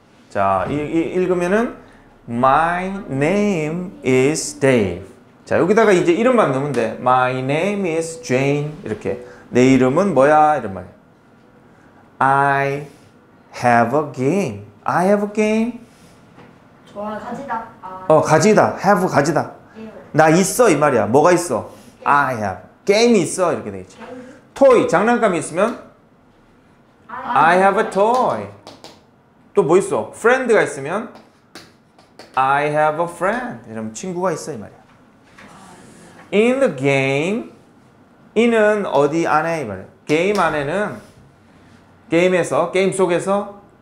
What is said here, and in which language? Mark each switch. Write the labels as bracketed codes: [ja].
[ko] 자, 읽으면은 [en] My name is Dave. [ko] 자, 여기다가 이제 이름만 넣으면 돼. [en] My name is Jane. [ko] 이렇게. 내 이름은 뭐야? 이런 말. [en] I have a game. I have a game. [ko] 좋아, 가지다. 가지다. Have 가지다. 나 있어 이 말이야. 뭐가 있어? [en] I have. [ko] 게임이 있어 이렇게 되겠지. 토이, 장난감이 있으면 [en] I have a toy. [ko] 또 뭐 있어? 프렌드가 있으면 [en] I have a friend. [ko] 이러면 친구가 있어 이 말이야. [en] In the game, [ko] in은 어디 안에 이 말이야. 게임 안에는 게임에서, 게임 속에서